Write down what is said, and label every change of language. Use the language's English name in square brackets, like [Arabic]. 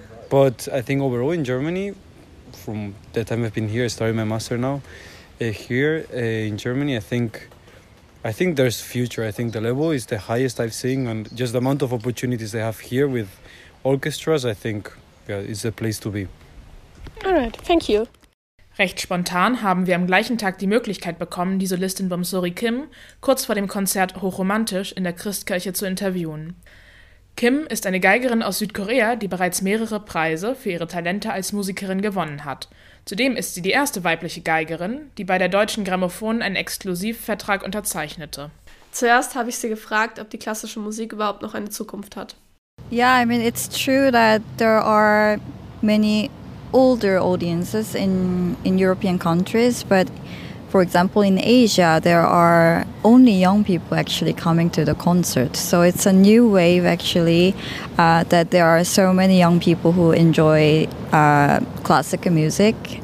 [English] But I think overall in Germany, from the time I've been here, I started my master now, in Germany, I think there's future. I think the level is the highest I've seen, and just the amount of opportunities they have here with orchestras, I think, yeah, it's the place to be. All right, thank you. [German] Recht spontan haben wir am gleichen Tag die Möglichkeit bekommen, die Solistin Bomsori Kim kurz vor dem Konzert Hochromantisch in der Christkirche zu interviewen. Kim ist eine Geigerin aus Südkorea, die bereits mehrere Preise für ihre Talente als Musikerin gewonnen hat. Zudem ist sie die erste weibliche Geigerin, die bei der Deutschen Grammophon einen Exklusivvertrag unterzeichnete. Zuerst habe ich sie gefragt, ob die klassische Musik überhaupt noch eine Zukunft hat. [English] Yeah, I mean, it's true that there are many older audiences in European countries, but for example, in Asia, there are only young people actually coming to the concert. So it's a new wave, actually, that there are so many young people who enjoy classical music.